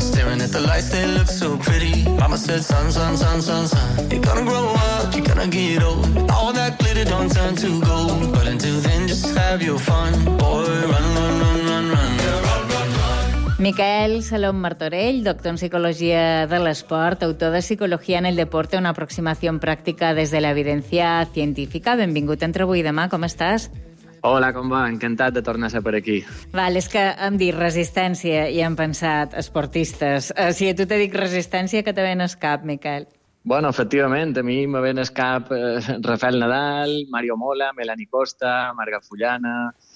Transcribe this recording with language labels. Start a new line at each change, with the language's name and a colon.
English: Staring at the lights, they look so pretty. Mama said, son, son, son, son, son, you're gonna grow up, you're gonna get old. All that glitter don't turn to gold. But until then, just have your fun. Boy, run, run, run, run, run.
Catalan: Miquel Salom Martorell, doctor en psicología de l'esport, autor de Psicología en el deporte, una aproximación práctica desde la evidencia científica. Benvingut entre avui i demà, com estàs? Hola, com va? Encantat de tornar a ser per aquí. Val, és que hem dit resistència i hem pensat esportistes. Si a tu te dic resistència, que te ven al cap, Miquel? Bueno, efectivament, a mi me ven al cap Rafael Nadal, Mario Mola, Melanie Costa, Marga Fullana...